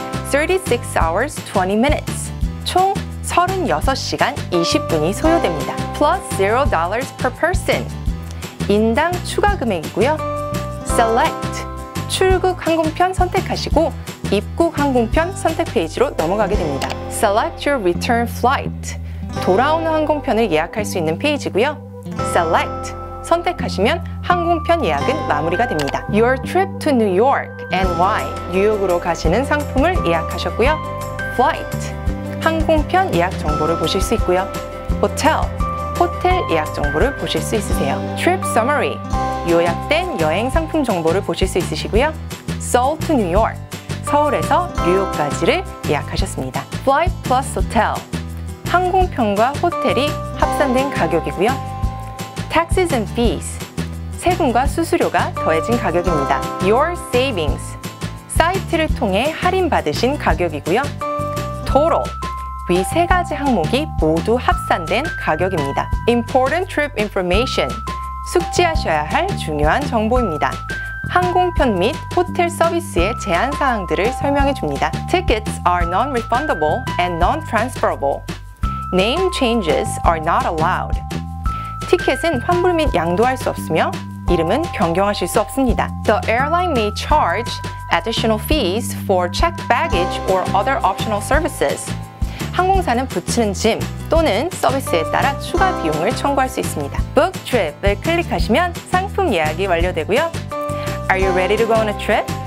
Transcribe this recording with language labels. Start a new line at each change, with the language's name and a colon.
English: 36 hours 20 minutes.
Korean: 총 36시간 20분이 소요됩니다.
English: Plus $0 per person.
Korean: 인당 추가 금액이고요.
English: Select.
Korean: 출국 항공편 선택하시고 입국 항공편 선택 페이지로 넘어가게 됩니다.
English: Select your return flight.
Korean: 돌아오는 항공편을 예약할 수 있는 페이지고요.
English: Select.
Korean: 선택하시면 항공편 예약은 마무리가 됩니다.
English: Your trip to New York and why.
Korean: 뉴욕으로 가시는 상품을 예약하셨고요.
English: Flight.
Korean: 항공편 예약 정보를 보실 수 있고요.
English: Hotel.
Korean: 호텔 예약 정보를 보실 수 있으세요.
English: Trip summary.
Korean: 요약된 여행 상품 정보를 보실 수 있으시고요.
English: Seoul to New York.
Korean: 서울에서 뉴욕까지를 예약하셨습니다.
English: Flight plus hotel.
Korean: 항공편과 호텔이 합산된 가격이고요.
English: Taxes and fees.
Korean: 세금과 수수료가 더해진 가격입니다.
English: Your savings.
Korean: 사이트를 통해 할인받으신 가격이고요.
English: Total.
Korean: 위 세 가지 항목이 모두 합산된 가격입니다.
English: Important trip information.
Korean: 숙지하셔야 할 중요한 정보입니다. 항공편 및 호텔 서비스의 제한 사항들을 설명해 줍니다.
English: Tickets are non-refundable and non-transferable. Name changes are not allowed.
Korean: 티켓은 환불 및 양도할 수 없으며 이름은 변경하실 수 없습니다.
English: The airline may charge additional fees for checked baggage or other optional services.
Korean: 항공사는 부치는 짐 또는 서비스에 따라 추가 비용을 청구할 수 있습니다. Book Trip을 클릭하시면 상품 예약이 완료되고요.
English: Are you ready to go on a trip?